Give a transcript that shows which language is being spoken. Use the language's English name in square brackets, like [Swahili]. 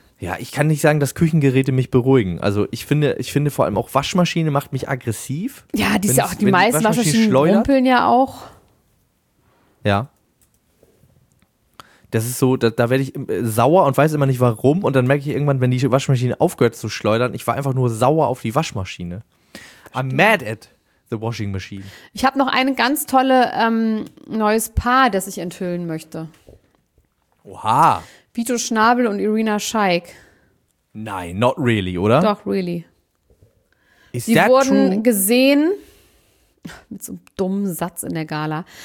[German] Ja, ich kann nicht sagen, dass Küchengeräte mich beruhigen. Also ich finde vor allem auch Waschmaschine macht mich aggressiv. Ja, die ist ja auch die meisten Waschmaschinen rumpeln ja auch. Ja. Das ist so, da werde ich sauer und weiß immer nicht warum und dann merke ich irgendwann, wenn die Waschmaschine aufgehört zu schleudern, ich war einfach nur sauer auf die Waschmaschine. [English] I'm mad at the washing machine. [German] Ich habe noch ein ganz tolle neues Paar, das ich enthüllen möchte. Oha. Vito Schnabel und Irina Shayk. Nein, [English] not really, [German] oder? Doch, really. [English] Is that true? [German] Sie wurden gesehen, mit so einem dummen Satz in der Gala.